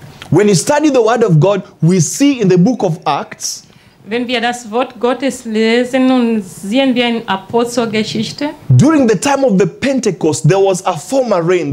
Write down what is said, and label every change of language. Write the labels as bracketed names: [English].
[English] When you study the word of God, we see in the book of Acts. [German] Wenn wir das Wort Gottes lesen und sehen wir in Apostelgeschichte. [English] During the time of the Pentecost, there was a former rain.